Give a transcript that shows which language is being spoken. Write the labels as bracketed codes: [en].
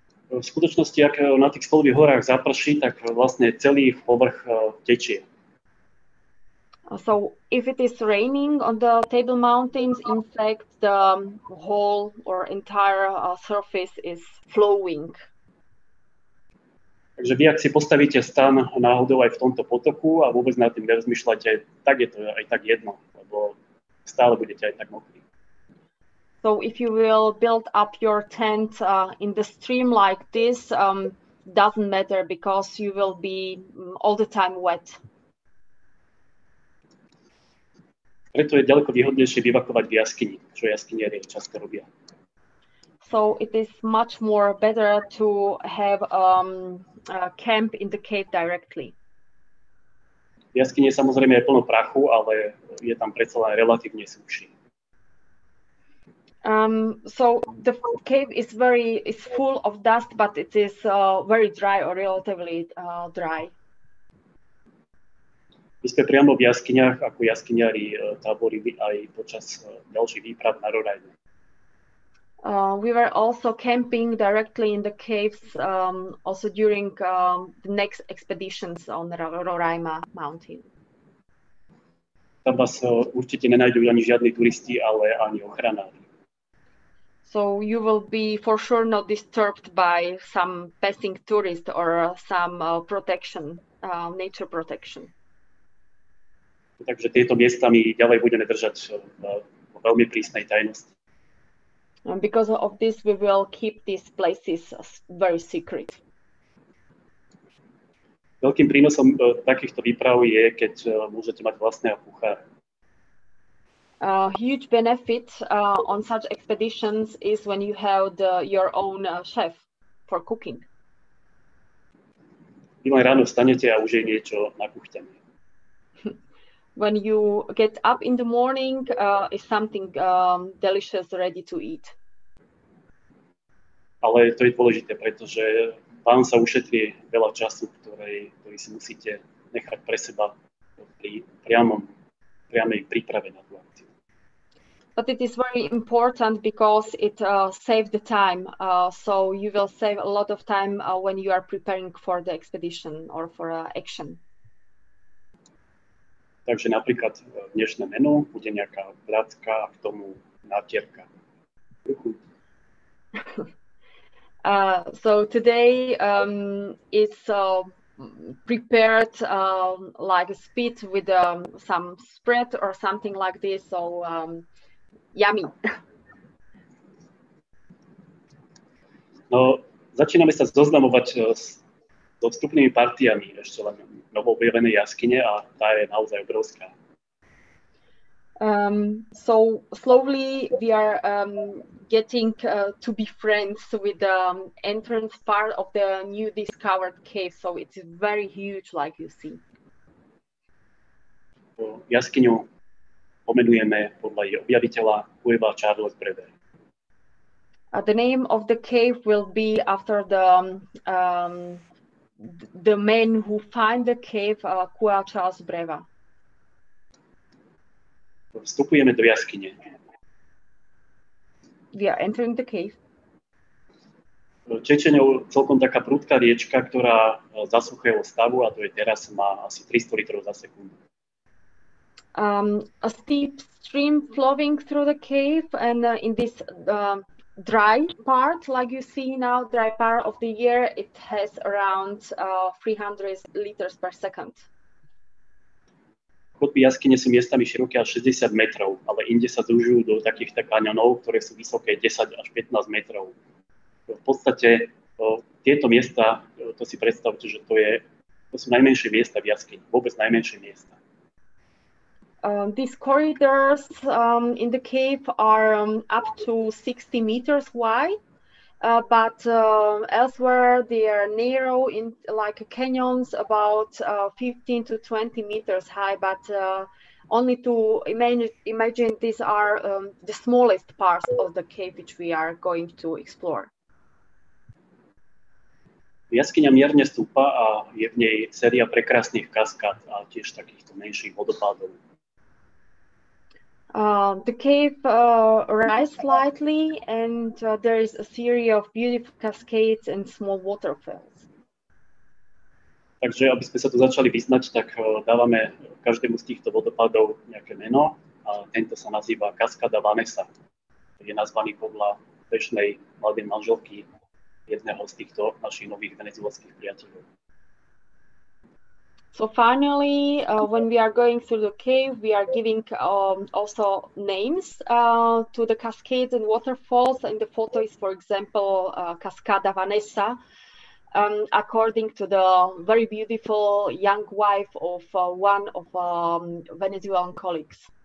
[sk] V skutočnosti, ak na tých spodových horách zaprší, tak vlastne celý povrch tečie. [en] So if it is raining on the Table Mountains, in fact, the whole or entire surface is flowing. [sk] Takže vy, ak si postavíte stan náhodou aj v tomto potoku a vôbec nad tým nerozmýšľate, tak je to aj tak jedno, lebo stále budete aj tak mokrý. [en] So if you will build up your tent in the stream like this, doesn't matter because you will be all the time wet. [sk] Preto je ďaleko výhodnejšie bivakovať v jaskyni, čo jaskyniari často robia. [en] So it is much more better to have a camp in the cave directly. [sk] V jaskyni samozrejme je plno prachu, ale je tam predsa len relatívne suchšie. [en] So the cave is is full of dust, but it is very dry or relatively dry. [sk] My sme priamo v jaskyniach ako jaskyniari táborili aj počas ďalších výprav na Rorajne. [en] We were also camping directly in the caves also during the next expeditions on the Roraima mountain. [sk] Tam vás určite nenájdú ani žiadni turisti, ale ani ochranári. [en] So you will be for sure not disturbed by some passing tourist or some protection, nature protection. [sk] Takže tieto miesta my ďalej budeme držať v veľmi prísnej tajnosti. [en] And because of this, we will keep these places very secret. [sk] Veľkým prínosom takýchto výprav je, keď môžete mať vlastného kuchára. [en] A huge benefit on such expeditions is when you have your own chef for cooking. [sk] Vy len ráno vstanete a už je niečo nakuchtené. [en] When you get up in the morning, is something delicious ready to eat. [sk] Ale to je dôležité, pretože vám sa ušetrí veľa času, ktorý si musíte nechať pre seba pri priamej príprave na tú akciu. [en] But it is very important because it saves the time. So you will save a lot of time when you are preparing for the expedition or for action. [sk] Takže napríklad dnešné menu bude nejaká vrátka a k tomu natierka. [en] So today it's prepared like a spit with some spread or something like this. So yummy. [sk] No, začíname sa zoznamovať so vstupnými partiami ešte len novoobjavenej jaskyne a tá je naozaj obrovská. [en] So slowly we are getting to be friends with the entrance part of the new discovered cave. So it's very huge, like you see. [sk] Jaskyňu pomenujeme podľa jej objaviteľa Cueva Charles Brewer. [en] The name of the cave will be after the man who find the cave, Cueva Charles Brewer. [sk] Vstupujeme do jaskyne. [en] We are entering the cave. [sk] Tečie ňou celkom taká prudká riečka, ktorá za suchého stavu, a to je teraz, má asi 300 litrov za sekundu. [en] A steep stream flowing through the cave and in this dry part, like you see now, dry part of the year, it has around 300 liters per second. [sk] Chodby jaskyne sú miestami široké až 60 metrov, ale inde sa zúžujú do takých kaňonov, ktoré sú vysoké 10 až 15 metrov. V podstate tieto miesta, to si predstavte, že to sú najmenšie miesta v jaskyni, vôbec najmenšie miesta. [en] These corridors in the cave are up to 60 meters wide, but elsewhere they are narrow in like canyons about 15 to 20 meters high, but only to imagine these are the smallest parts of the cave which we are going to explore. [sk] Jaskyňa mierne stúpa a je v nej séria prekrásnych kaskád a tiež takýchto menších vodopádov. [en] The cave rises slightly and there is a series of beautiful cascades and small waterfalls. [sk] Takže aby sme sa tu začali vyznať, tak dávame každému z týchto vodopádov nejaké meno a tento sa nazýva Kaskáda Vanessa. Je nazvaný podľa pešnej mladej manželky jedného z týchto našich nových venezuelských priateľov. [en] So finally, when we are going through the cave, we are giving also names to the cascades and waterfalls. And the photo is, for example, Cascada Vanessa, according to the very beautiful young wife of one of Venezuelan colleagues.